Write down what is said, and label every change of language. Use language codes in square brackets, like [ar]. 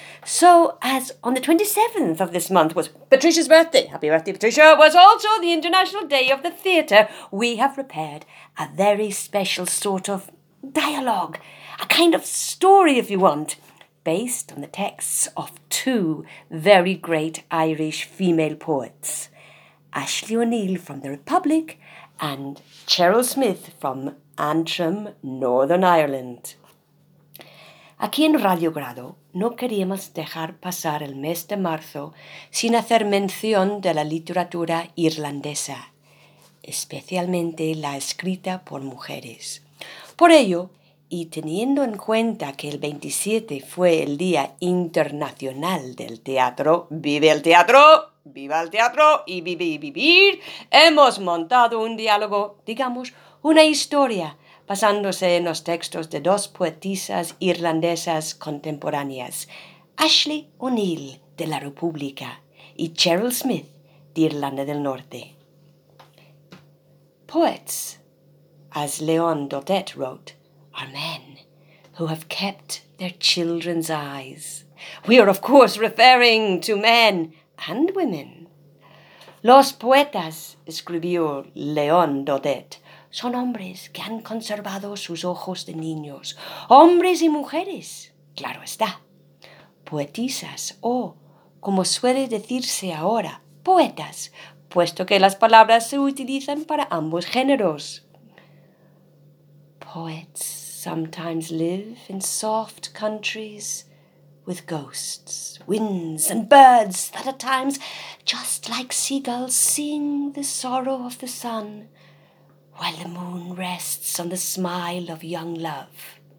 [en] So, as on the 27th of this month was Patricia's birthday, happy birthday, Patricia, was also the International Day of the Theatre, we have prepared a very special sort of dialogue, a kind of story, if you want, based on the texts of two very great Irish female poets, Aisling O'Neill from The Republic and Cheryl Smith from Antrim, Northern Ireland. [es] Aquí en Radio Grado no queríamos dejar pasar el mes de marzo sin hacer mención de la literatura irlandesa, especialmente la escrita por mujeres. Por ello, y teniendo en cuenta que el 27 fue el Día Internacional del Teatro, ¡vive el teatro! ¡Viva el teatro! Y vivir, vivir, hemos montado un diálogo, digamos, una historia, basándose en los textos de dos poetisas irlandesas contemporáneas, Aisling O'Neill, de La República, y Cheryl Smith, de Irlanda del Norte. [en] Poets, as Leon Dodet wrote, are men who have kept their children's eyes. We are, of course, referring to men and women. [es] Los poetas, escribió Leon Dodet, son hombres que han conservado sus ojos de niños, hombres y mujeres, claro está. Poetisas, o, como suele decirse ahora, poetas, puesto que las palabras se utilizan para ambos géneros. [en] Poets sometimes live in soft countries with ghosts, winds and birds that at times, just like seagulls, sing the sorrow of the sun, while the moon rests on the smile of young love.